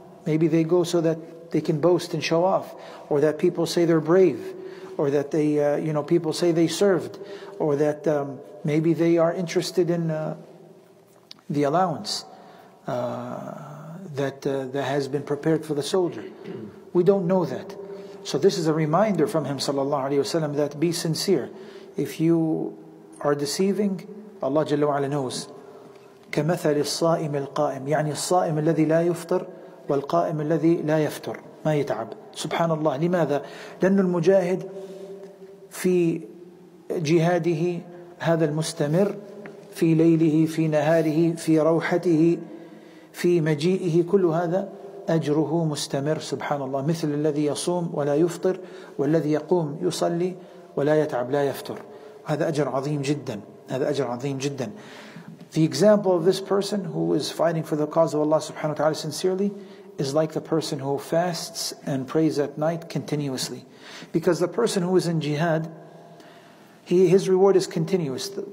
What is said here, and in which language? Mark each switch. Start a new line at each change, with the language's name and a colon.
English: Maybe they go so that they can boast and show off, or that people say they're brave, or that they, you know, people say they served, or that maybe they are interested in the allowance that has been prepared for the soldier. We don't know that. So this is a reminder from him sallallahu alayhi wasallam that be sincere. If you are deceiving, Allah jalla wa'ala knows.
Arabic: كَمَثَلِ الصَّائِمِ الْقَائِمِ يعني الصَّائِمِ الَّذِي لَا يُفْطَرْ والقائم الذي لا يفتر ما يتعب. سبحان الله، لماذا؟ لأن المجاهد في جهاده هذا المستمر في ليله في نهاره في روحته في مجيئه، كل هذا أجره مستمر سبحان الله، مثل الذي يصوم ولا يفطر والذي يقوم يصلي ولا يتعب لا يفتر. هذا أجر عظيم جدا، هذا أجر عظيم جدا.
English: The example of this person who is fighting for the cause of Allah subhanahu wa ta'ala sincerely is like the person who fasts and prays at night continuously. Because the person who is in jihad, his reward is continuous.